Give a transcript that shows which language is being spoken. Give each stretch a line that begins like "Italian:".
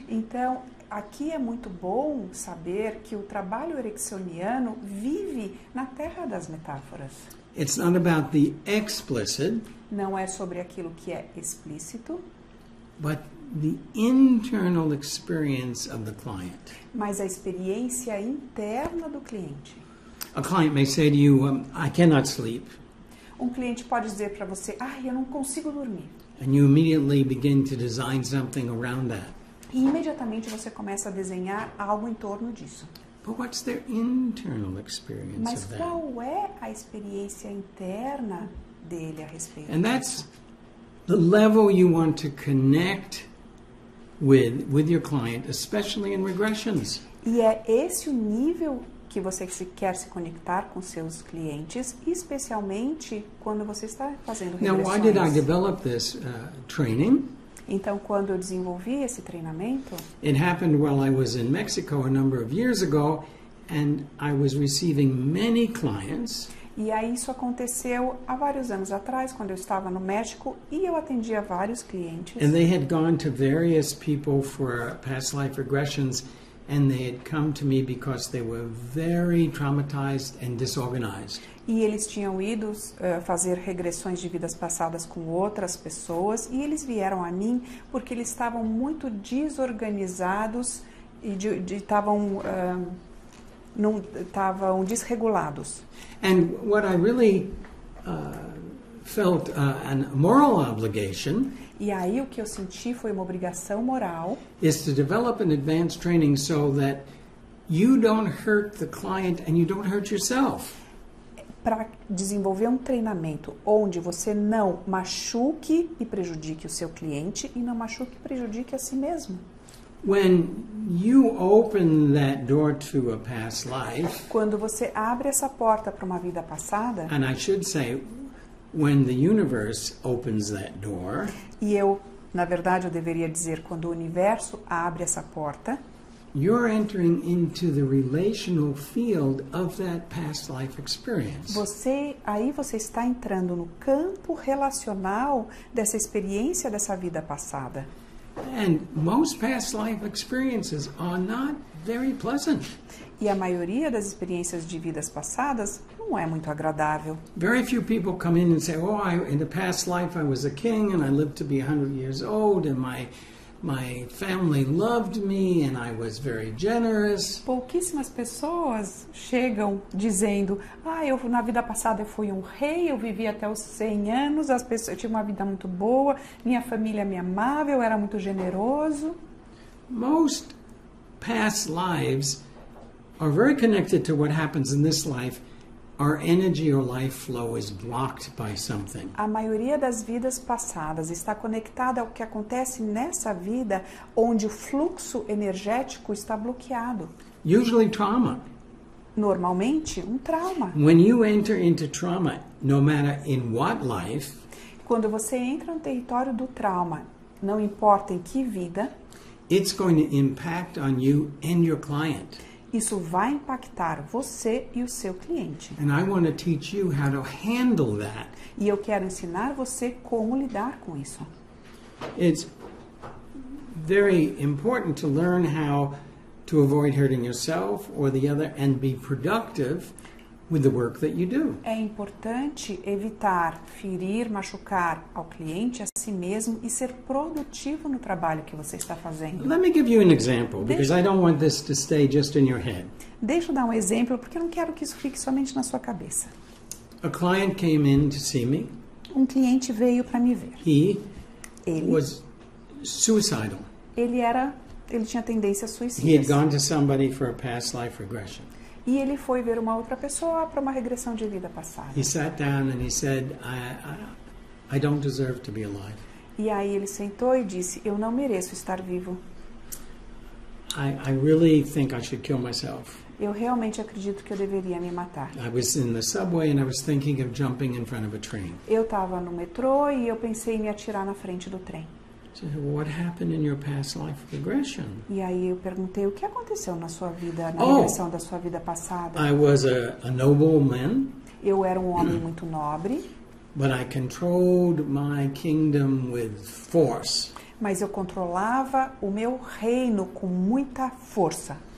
Portuguese: Então, aqui é muito bom saber que o trabalho ericksoniano vive na terra das metáforas.
English: It's not about the explicit.
Portuguese: Não é sobre aquilo que é explícito.
English: But the internal experience of the client.
Portuguese: Mas a experiência interna do cliente.
English: A client may say to you, I cannot sleep.
Portuguese: Um cliente pode dizer para você, ah, eu não consigo dormir.
English: And you immediately begin to design something around that.
Portuguese: E imediatamente você começa a desenhar algo em torno disso.
English: But what's their internal experience
Portuguese: Mas qual é a experiência interna dele a respeito
English: And
Portuguese: disso?
English: That's the level you want to connect with your client, especially in regressions.
Portuguese: E é esse o nível que você quer se conectar com seus clientes, especialmente quando você está fazendo regressões.
English: Now, why did I develop this training?
Portuguese: Então, quando eu desenvolvi esse treinamento?
English: It happened while I was in Mexico a number of years ago, and I was receiving many clients.
Portuguese: E aí isso aconteceu há vários anos atrás, quando eu estava no México e eu atendia vários clientes.
English: And they had gone to various people for past life regressions, and they had come to me because they were very traumatized and disorganized.
Portuguese: E eles tinham ido fazer regressões de vidas passadas com outras pessoas, e eles vieram a mim porque eles estavam muito desorganizados e estavam não estavam desregulados.
English: And what I really felt a moral obligation.
Portuguese: E aí o que eu senti foi uma obrigação moral.
English: Is to develop an advanced training so that you don't hurt the client and you don't hurt yourself.
Portuguese: Para desenvolver um treinamento onde você não machuque e prejudique o seu cliente e não machuque e prejudique a si mesmo.
English: When you open that door to a past life,
Portuguese: quando você abre essa porta para uma vida passada,
English: and I should say, when the universe opens that door,
Portuguese: e eu, na verdade, eu deveria dizer quando o universo abre essa porta,
English: you're entering into the relational field of that past life experience.
Portuguese: Você, aí você está entrando no campo relacional dessa experiência dessa vida passada.
English: And most past life experiences are not very pleasant.
Portuguese: E a maioria das experiências de vidas passadas não é muito agradável.
English: Very few people come in and say, "Oh, I, in the past life I was a king and I lived to be 100 years old and my family loved me and I was very generous."
Portuguese: Pouquíssimas pessoas chegam dizendo: "Ah, eu na vida passada eu fui um rei, eu vivi até os 100 anos, as pessoas, eu tive uma vida muito boa, minha família me amava, eu era muito generoso."
English: Most past lives are very connected to what happens in this life. Our energy or life flow is blocked by something.
Portuguese: A maioria das vidas passadas está conectada ao que acontece nessa vida, onde o fluxo energético está bloqueado.
English: Usually trauma.
Portuguese: Normalmente, um trauma.
English: When you enter into trauma, no matter in what life,
Portuguese: quando você entra no território do trauma, não importa em que vida,
English: it's going to impact on you and your client.
Portuguese: Isso vai impactar você e o seu cliente.
English: And I want to teach you how to handle that.
Portuguese: E eu quero ensinar você como lidar com isso.
English: It's very important to learn how to avoid hurting yourself or the other and be productive with the work that you do.
Portuguese: É importante evitar ferir, machucar ao cliente, a si mesmo e ser produtivo no trabalho que você está fazendo.
English: Let me give you an example, because I don't want this to stay just in your head.
Portuguese: Deixa eu dar um exemplo, porque eu não quero que isso fique somente na sua cabeça.
English: A client came in to see me.
Portuguese: Um cliente veio para me ver. Ele
English: was suicidal.
Portuguese: Ele tinha tendência suicida.
English: He had gone to somebody for a past life regression.
Portuguese: E ele foi ver uma outra pessoa para uma regressão de vida passada.
English: He sat down and he said, I don't deserve to be alive.
Portuguese: E aí ele sentou e disse, eu não mereço estar vivo.
English: I really think I should kill myself.
Portuguese: Eu realmente acredito que eu deveria me matar.
English: I was in the subway and I was thinking of jumping in front of a train.
Portuguese: Eu estava no metrô e eu pensei em me atirar na frente do trem.
English: So what happened in your past life regression?
Portuguese: E aí eu perguntei o que aconteceu na sua vida, na regressão da sua vida passada.
English: I was a noble man.
Portuguese: Eu era um homem muito nobre.
English: But I controlled my kingdom with force.
Portuguese: Mas eu controlava o meu reino com muita força.